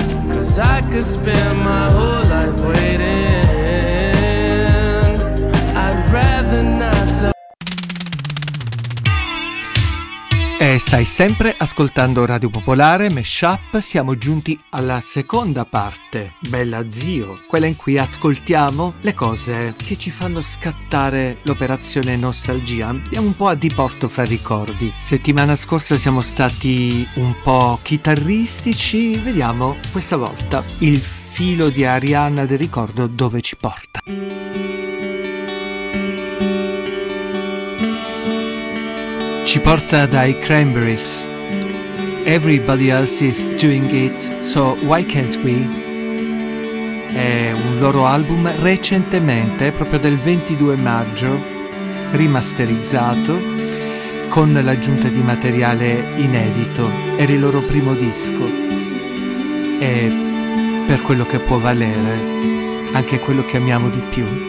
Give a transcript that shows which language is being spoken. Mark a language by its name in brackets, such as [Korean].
[English] Cause I could spend my whole life waiting. I'd rather not. [Italian] E stai sempre ascoltando Radio Popolare, Mashup, siamo giunti alla seconda parte, Bella Zio, quella in cui ascoltiamo le cose che ci fanno scattare l'operazione nostalgia. Andiamo un po' a diporto fra ricordi. Settimana scorsa siamo stati un po' chitarristici, vediamo questa volta il filo di Arianna del ricordo dove ci porta. Ci porta dai Cranberries. [English] Everybody else is doing it, so why can't we? [Italian] È un loro album recentemente, proprio del 22 maggio, rimasterizzato con l'aggiunta di materiale inedito. Era il loro primo disco e, per quello che può valere, anche quello che amiamo di più.